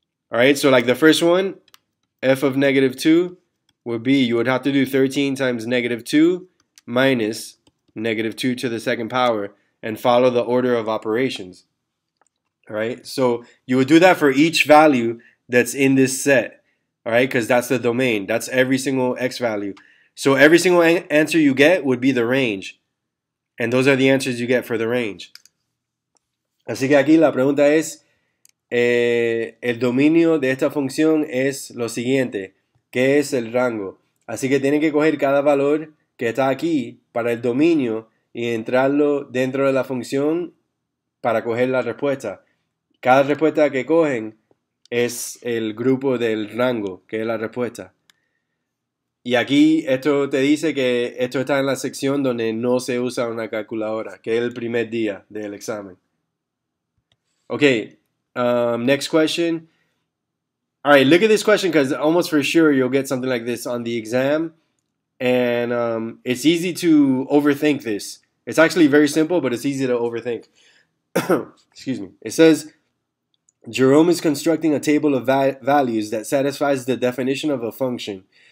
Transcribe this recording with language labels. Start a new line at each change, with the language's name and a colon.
English: All right, so like the first one, f of negative 2 would be, you would have to do 13 times negative 2 minus negative 2 to the second power and follow the order of operations. All right, so you would do that for each value that's in this set, all right, because that's the domain, that's every single x value. So every single answer you get would be the range, and those are the answers you get for the range.
Spanish: Así que aquí la pregunta es, el dominio de esta función es lo siguiente, ¿qué es el rango? Así que tienen que coger cada valor que está aquí para el dominio y entrarlo dentro de la función para coger la respuesta. Cada respuesta que cogen es el grupo del rango, que es la respuesta. Y aquí esto te dice que esto está en la sección donde no se usa una calculadora, que es el primer día del examen.
English: Okay, next question. All right, look at this question because almost for sure you'll get something like this on the exam. And it's easy to overthink this. It's actually very simple, but it's easy to overthink. Excuse me. It says, Jerome is constructing a table of values that satisfies the definition of a function.